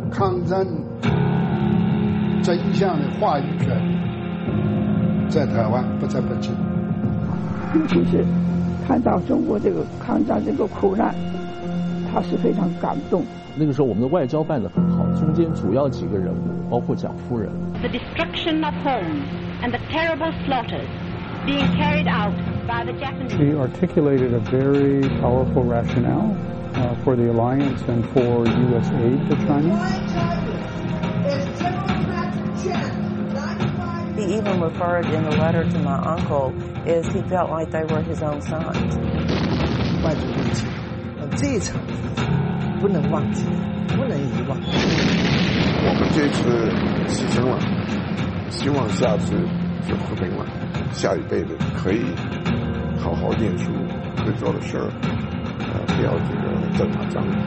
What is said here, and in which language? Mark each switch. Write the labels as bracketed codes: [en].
[zh] 抗战真相的话语权在台湾不在北京，尤其是看到中国这个抗战这个苦难，他是非常感动。那个时候我们的外交办得很好，中间主要几个人物包括蒋夫人。 [en] The destruction of homes and the terrible slaughters being carried outShe articulated a very powerful rationale for the alliance and for U.S. aid to China. He even referred in the letter to my uncle as he felt like they were his own sons. [zh] 万众一心，这一场不能忘记，不能遗忘。我们这次牺牲了，希望下次就和平了，下一辈子可以。好好念书，会做的事儿，不要这个正常讲。